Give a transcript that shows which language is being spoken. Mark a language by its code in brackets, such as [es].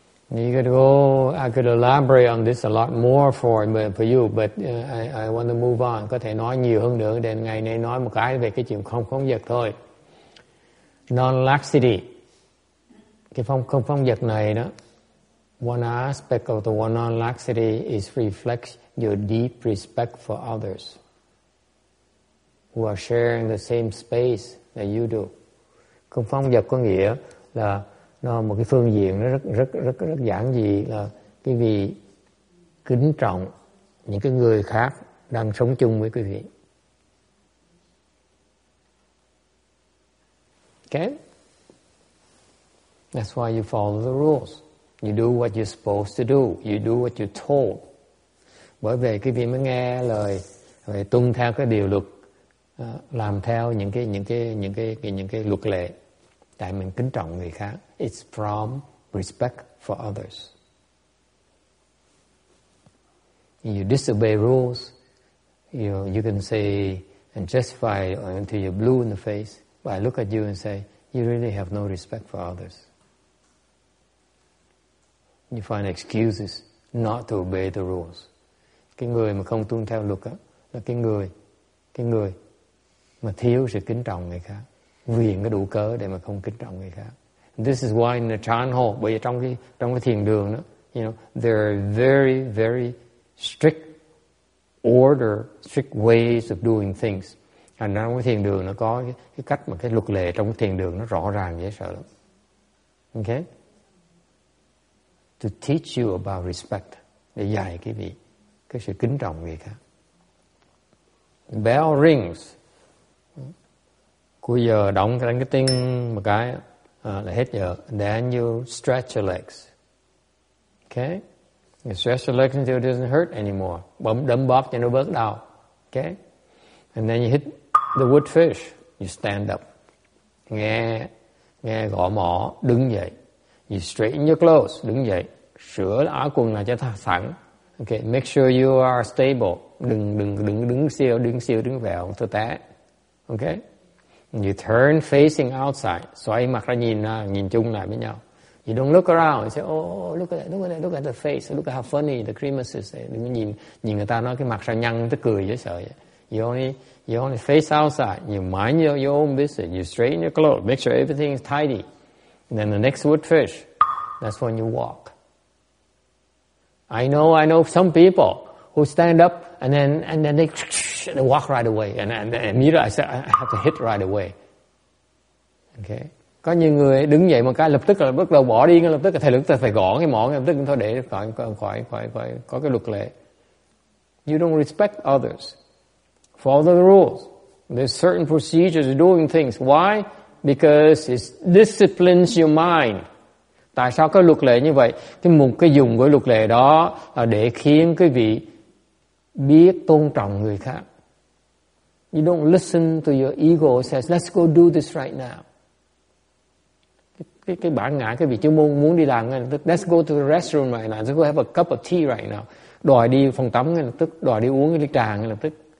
[en] I could elaborate on this a lot more for you, but I want to move on. [vi] Có thể nói nhiều hơn nữa, để ngày nay nói một cái về cái chuyện không phóng dật thôi. [en] Non-laxity. [vi] Cái không phóng dật này đó, [en] one aspect of the one non-laxity is reflects your deep respect for others who are sharing the same space that you do. [vi] Không phóng dật có nghĩa là nó một cái phương diện nó rất rất rất rất giản dị, là quý vị kính trọng những cái người khác đang sống chung với quý vị. [en] Okay, that's why you follow the rules, you do what you're supposed to do, you do what you're told. [vi] Bởi vì quý vị mới nghe lời, phải tuân theo cái điều luật, làm theo những cái luật lệ. Tại mình kính trọng người khác. [en] It's from respect for others. You disobey rules, you can say and justify until you're blue in the face, but I look at you and say, you really have no respect for others. You find excuses not to obey the rules. [vi] Cái người mà không tuân theo luật đó, là cái người mà thiếu sự kính trọng người khác. Viện cái đủ cớ để mà không kính trọng người khác. [en] This is why in the Chan Ho, [vi] bởi vì trong cái thiền đường đó, [en] you know, there are very, very strict order, strict ways of doing things. And now [vi] trong cái thiền đường nó có cái cách mà cái luật lệ trong cái thiền đường nó rõ ràng dễ sợ lắm. Okay? [en] To teach you about respect, [vi] để dạy quý vị cái sự kính trọng người khác. [en] Bell rings. [vi] Cuối giờ đóng cái đánh cái tinh một cái là hết giờ. [en] Then you stretch your legs. Okay? You stretch your legs until it doesn't hurt anymore. [vi] Bấm đấm bóp cho nó bớt đau. [en] Okay? And then you hit the wood fish. You stand up. [vi] Nghe gõ mỏ, đứng dậy. [en] You straighten your clothes, [vi] đứng dậy. Sửa áo quần lại cho thẳng. [en] Okay, make sure you are stable. [vi] Đừng siêu, đứng vẹo, thưa té. Okay? [en] You turn facing outside, [vi] xoay mặt ra nhìn chung lại với nhau. [en] You don't look around, you say, oh, look at the face, look at how funny the grimaces. [vi] Đừng nhìn người ta nói cái mặt sao nhăn, tức cười dễ sợ. [en] You only face outside, you mind your own business, you straighten your clothes, make sure everything is tidy. And then the next wood fish, that's when you walk. I know some people who stand up and then they walk right away. And immediately I said, I have to hit right away. Okay. [vi] Có nhiều người đứng dậy một cái lập tức là bắt đầu bỏ đi ngay lập tức. Thầy lực phải gõ cái mỏ ngay lập tức. Thôi để khỏi có cái luật lệ. [en] You don't respect others. Follow the rules. There's certain procedures of doing things. Why? Because it disciplines your mind. [vi] Tại sao cái luật lệ như vậy? Cái mục cái dùng của luật lệ đó là để khiến quý vị biết tôn trọng người khác. [en] You don't listen to your ego says, let's go do this right now. [vi] Cái bản ngã cái vị chú muốn đi làm ngay lập tức. [en] Let's go to the restroom right now. Let's go have a cup of tea right now. [vi] Đòi đi phòng tắm ngay lập tức. Đòi đi uống cái ly trà ngay lập tức.